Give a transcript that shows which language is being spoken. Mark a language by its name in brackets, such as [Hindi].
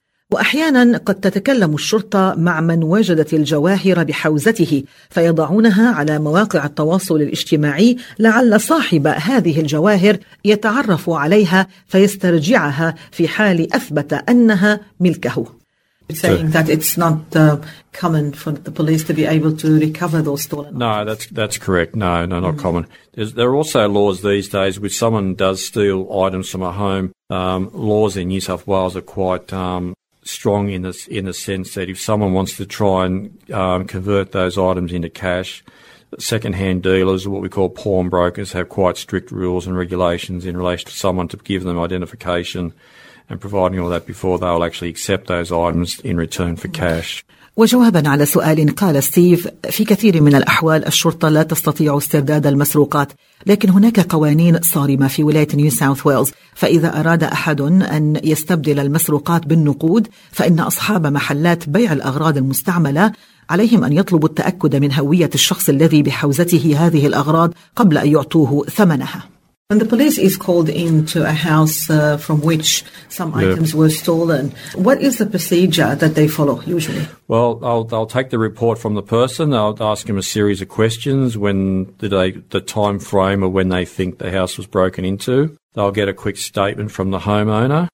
[Arabic] وأحيانا قد تتكلم الشرطة مع من وجدت الجواهر بحوزته فيضعونها على مواقع التواصل الاجتماعي لعل صاحب هذه الجواهر يتعرف عليها فيسترجعها في حال أثبت أنها ملكه. [English] Saying that it's not common for the police to be able to recover those stolen. No, items. that's correct. No, not common. There are also laws these days which someone does steal items from a home. Laws in New South Wales are quite strong in the sense that if someone wants to try and convert those items into cash, second-hand dealers, what we call pawnbrokers, have quite strict rules and regulations in relation to someone to give them identification and providing all that before they'll actually accept those items in return for cash. [Arabic] وجوابا على سؤال قال ستيف في كثير من الأحوال الشرطة لا تستطيع استرداد المسروقات لكن هناك قوانين صارمة في ولاية نيو ساوث ويلز فإذا أراد أحد أن يستبدل المسروقات بالنقود فإن أصحاب محلات بيع الأغراض المستعملة عليهم أن يطلبوا التأكد من هوية الشخص الذي بحوزته هذه الأغراض قبل أن يعطوه ثمنها. [English] When the police is called into a house from which some items were stolen, what is the procedure that they follow usually? Well, they'll take the report from the person. They'll ask him a series of questions. When the time frame of when they think the house was broken into, they'll get a quick statement from the homeowner.